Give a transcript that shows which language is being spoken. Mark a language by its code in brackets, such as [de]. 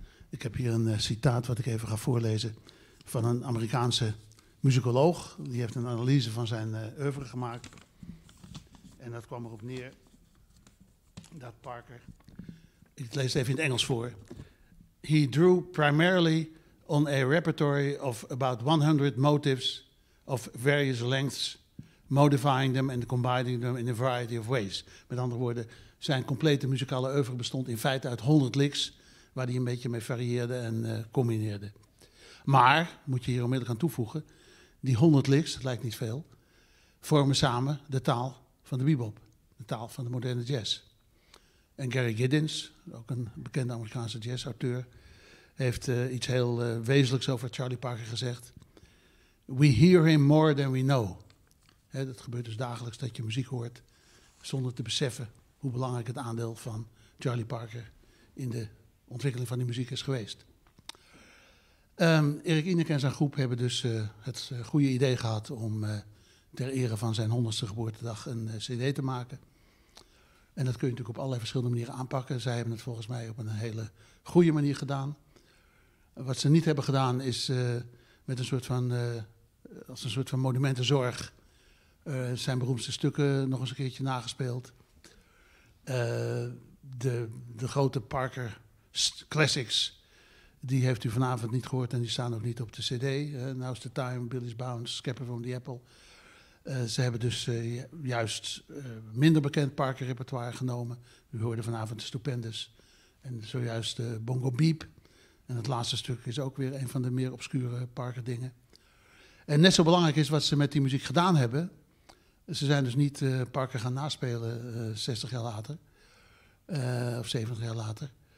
[nl] Ik heb hier een citaat wat ik even ga voorlezen van een Amerikaanse muzikoloog. Die heeft een analyse van zijn oeuvre gemaakt. En dat kwam erop neer dat Parker, ik lees het even in het Engels voor. [en] He drew primarily on a repertory of about 100 motives of various lengths, modifying them and combining them in a variety of ways. [nl] Met andere woorden, zijn complete muzikale oeuvre bestond in feite uit 100 licks, waar hij een beetje mee varieerde en combineerde. Maar, moet je hier onmiddellijk aan toevoegen, die 100 licks, dat lijkt niet veel, vormen samen de taal van de bebop, de taal van de moderne jazz. En Gary Giddens, ook een bekende Amerikaanse jazzauteur, heeft iets heel wezenlijks over Charlie Parker gezegd. [en] We hear him more than we know. [nl] He, dat gebeurt dus dagelijks dat je muziek hoort zonder te beseffen hoe belangrijk het aandeel van Charlie Parker in de ontwikkeling van die muziek is geweest. Erik Ineke en zijn groep hebben dus het goede idee gehad om ter ere van zijn 100ste geboortedag een cd te maken. En dat kun je natuurlijk op allerlei verschillende manieren aanpakken. Zij hebben het volgens mij op een hele goede manier gedaan. Wat ze niet hebben gedaan is met een soort van, als een soort van monumentenzorg zijn beroemdste stukken nog eens een keertje nagespeeld. De grote Parker Classics, die heeft u vanavond niet gehoord en die staan ook niet op de cd. Now's the Time, Billy's Bounce, Scepter from the Apple. Ze hebben dus juist minder bekend Parker repertoire genomen. U hoorde vanavond de Stupendous en zojuist de Bongo Beep. En het laatste stuk is ook weer een van de meer obscure Parker dingen. En net zo belangrijk is wat ze met die muziek gedaan hebben. Ze zijn dus niet Parker gaan naspelen 60 jaar later. Of 70 jaar later.